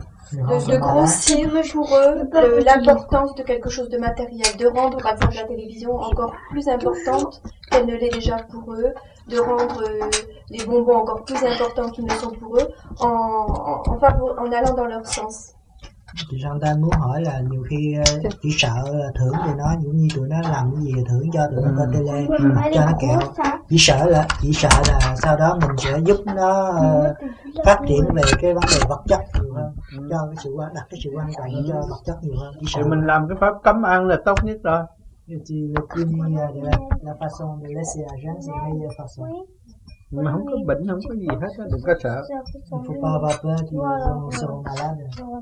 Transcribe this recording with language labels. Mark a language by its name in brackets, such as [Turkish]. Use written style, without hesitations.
[French] De grossir pour eux l'importance de quelque chose de matériel, de rendre par exemple la télévision encore plus importante qu'elle ne l'est déjà pour eux, de rendre les bonbons encore plus importants qu'ils ne sont pour eux, en allant dans leur sens. [Vietnamese] Cái gian đang muốn hỏi là nhiều khi chỉ sợ thưởng cho nó, giống như tụi nó làm cái gì thưởng cho tụi nó coi tele cho nó kẹo, chỉ sợ là sau đó mình sẽ giúp nó phát triển về cái vấn đề vật chất nhiều hơn, cho cái sự đặt cái sự quan trọng cho vật chất nhiều hơn, chỉ sợ mình làm cái pháp cấm ăn là tốt nhất rồi. [French] Thì le punir de la façon de laisser à jeun, c'est la meilleure façon. [Vietnamese] Mà không có bệnh, không có gì hết á, đừng có sợ. [French] Il faut pas avoir peur qu'ils seront malades.